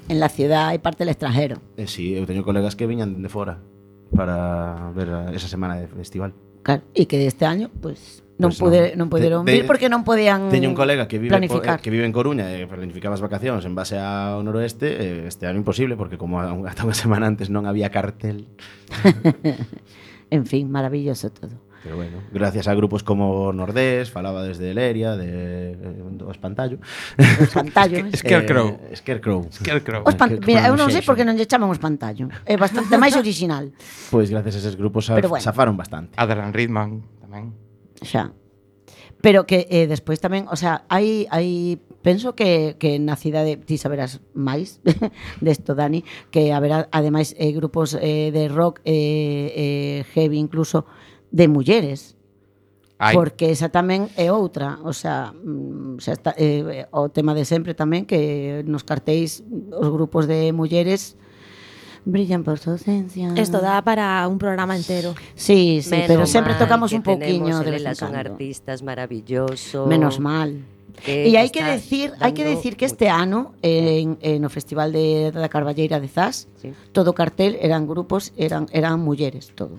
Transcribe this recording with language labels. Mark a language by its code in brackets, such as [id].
[es] En la ciudad hai parte del extranjero. [gl] Sí, eu teño colegas que viñan de fora para ver esa semana de festival. Claro, e que este año, non puderon vir porque non podían planificar. Teño un colega que vive en Coruña e planificaba as vacacións en base ao noroeste. Este año imposible, porque como ata unha semana antes non había cartel. En fin, maravilloso todo. Pero bueno, gracias a grupos como Nordés, falaba desde Leria, de Espantallo. Espantallo. Scarecrow. Scarecrow. Mira, eu non sei por que non lle chaman Espantallo. É bastante máis original. Pois gracias a esos grupos safaron bastante. Adrian Ridman tamén. Xa. Pero que despois tamén, o sea, hai penso que na cidade ti saberás máis desto, Dani, que haberá ademais grupos de rock heavy incluso de mulleres. Ay. Porque esa tamén é outra, o sea está, o tema de sempre tamén que nos cartéis os grupos de mulleres [es] brillan por su ausencia. Esto da para un programa entero. Sí, sí, menos pero siempre tocamos un poquillo de las son artistas maravilloso. Menos mal. Y hay que decir que este año en el Festival de la Carballeira de Zas, todo cartel eran grupos, eran mujeres todo.